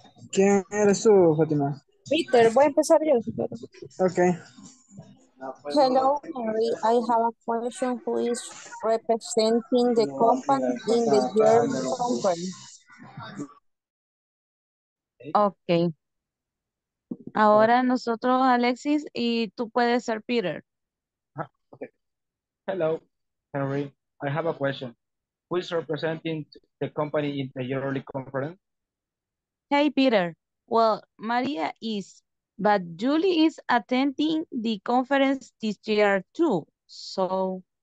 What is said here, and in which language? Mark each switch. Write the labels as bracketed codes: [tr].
[es] ¿Quién eres tú, Fátima? Peter, voy a empezar yo. Ok. [en] Hello, Mary. I have a question. Who is representing the company in the German conference? Ok. [es] Ahora nosotros, Alexis, y tú puedes ser Peter. [en] Okay. Hello, Henry. I have a question. Who is representing the company in the yearly conference? Hey, Peter. Well, Maria is, but Julie is attending the conference this year too, so.